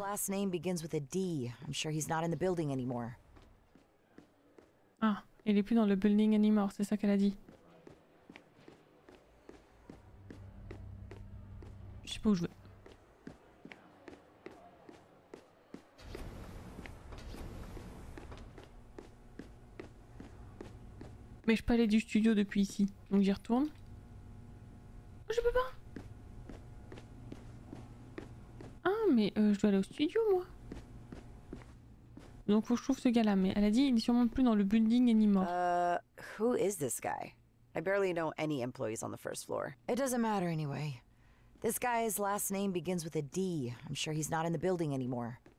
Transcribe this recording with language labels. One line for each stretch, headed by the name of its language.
English: His last name begins with a D. I'm sure he's not in the building anymore.
French: Ah, il est plus dans le building anymore, c'est ça qu'elle a dit. Je sais pas où je vais. Mais je peux aller du studio depuis ici. Donc j'y retourne. Je peux pas. Ah mais je dois aller au studio moi. Donc faut que je trouve ce gars là. Mais elle a dit il est sûrement plus dans le building anymore.
English: Who is this guy? I barely know any employees on the first floor. It doesn't matter anyway. This guy's last name begins with a D. I'm sure he's not in the building anymore.